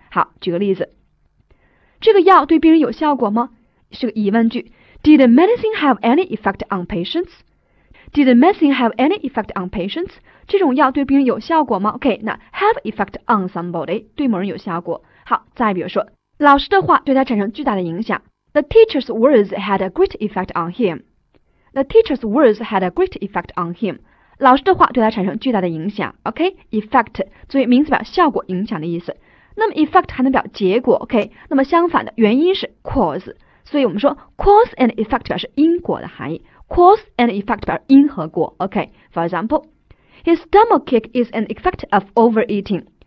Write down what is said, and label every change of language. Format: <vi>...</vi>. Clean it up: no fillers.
<zh>好，举个例子，这个药对病人有效果吗？是个疑问句。</zh> <en>Did medicine have any effect on patients? Did medicine have any effect on patients?</en> <zh>这种药对病人有效果吗</zh> <en>？OK, 那 have effect on somebody</en> <zh>对某人有效果。好，再比如说，老师的话对他产生巨大的影响。</zh> <en>The teacher's words had a great effect on him. The teacher's words had a great effect on him.</en> <zh>老师的话对他产生巨大的影响。 OK, effect 作为名词表效果、影响的意思。那么 effect 还能表结果。 OK, 那么相反的原因是 cause。所以我们说</zh> <en>cause and effect</en> <zh>表示因果的含义。</zh> <en>Cause and effect</en> <zh>表示因和果。</zh> <en>OK, for example. His stomachache is an effect of overeating.</en>